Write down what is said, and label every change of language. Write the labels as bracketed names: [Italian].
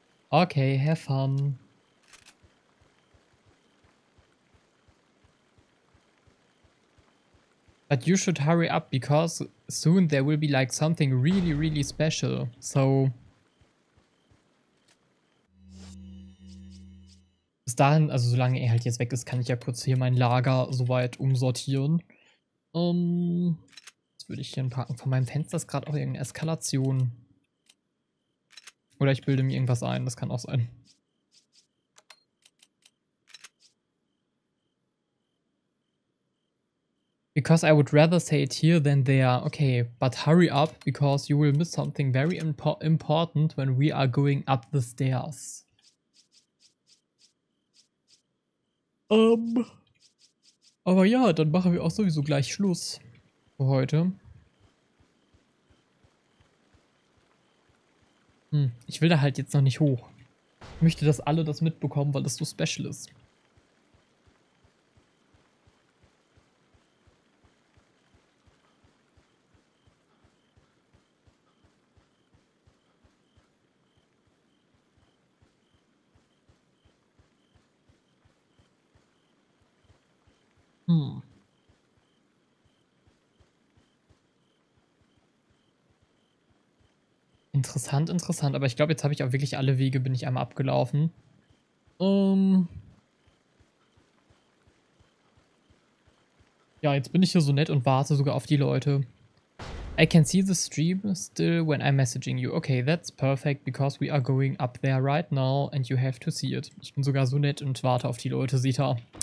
[English] Okay, have fun. But you should hurry up, because soon there will be like something really, really special, so. [German] Bis dahin, also solange er halt jetzt weg ist, kann ich ja kurz hier mein Lager soweit umsortieren. Was würde ich hier packen? Von meinem Fenster ist gerade auch irgendeine Eskalation. Oder ich bilde mir irgendwas ein, das kann auch sein. [English] Because I would rather say it here than there. Okay, but hurry up, because you will miss something very important when we are going up the stairs. [German] Aber ja, dann machen wir auch sowieso gleich Schluss für heute. Ich will da halt jetzt noch nicht hoch. Ich möchte, dass alle das mitbekommen, weil das so special ist. Hmm. Interessant, interessant. Aber ich glaube, jetzt habe ich auch wirklich alle Wege, bin ich einmal abgelaufen. Ja, jetzt bin ich hier so nett und warte sogar auf die Leute. [English] I can see the stream still when I'm messaging you. Okay, that's perfect, because we are going up there right now and you have to see it. [German] Ich bin sogar so nett und warte auf die Leute, Sita.